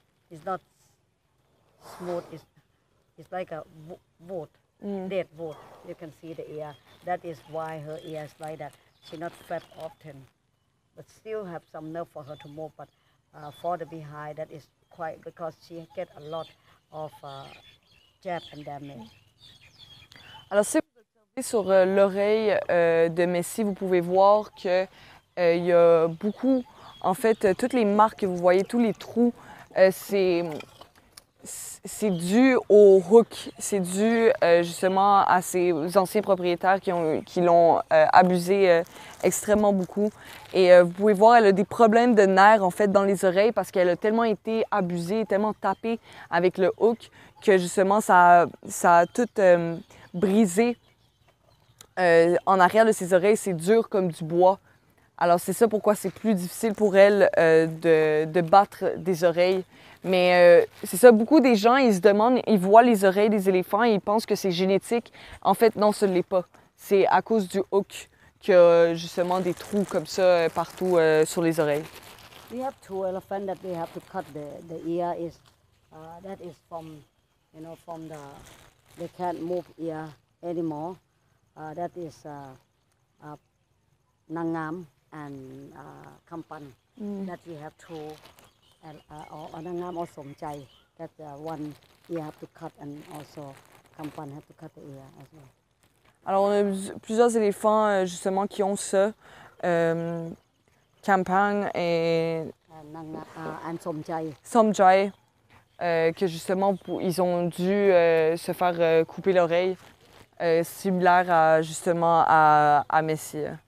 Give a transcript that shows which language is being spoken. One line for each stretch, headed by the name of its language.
English: It's not smooth, it's like a wood, dead wood. You can see the ear. That is why her ear is like that. She not flap often, but still have some nerve for her to move. But for the behind, that is quite, because she get a lot of jab and damage.
French: Alors si vous observez sur l'oreille de Messi, vous pouvez voir que il y a beaucoup, en fait, toutes les marques que vous voyez, tous les trous, c'est dû au hook, c'est dû justement à ces anciens propriétaires qui l'ont abusé extrêmement beaucoup. Et vous pouvez voir, elle a des problèmes de nerfs en fait dans les oreilles parce qu'elle a tellement été abusée, tellement tapée avec le hook que justement ça a tout brisé en arrière de ses oreilles. C'est dur comme du bois. Alors c'est ça pourquoi c'est plus difficile pour elle de battre des oreilles. Mais c'est ça, beaucoup des gens, ils se demandent, ils voient les oreilles des éléphants et ils pensent que c'est génétique. En fait, non, ce ne l'est pas. C'est à cause du hook qu'il y a justement des trous comme ça partout sur les oreilles.
English: We have two elephants that we have to cut the ear is that is from, you know, from the they can't move ear anymore. That is Nangam and Kampan that we have to. And Nangam or Somchai, that one ear have to cut, and also Kampan have to cut the ear as well.
French: Alors, on a plusieurs éléphants justement qui ont ça. Kampan et.
English: And Somchai.
French: Somchai, que justement, ils ont dû se faire couper l'oreille, similaire à justement à Messi.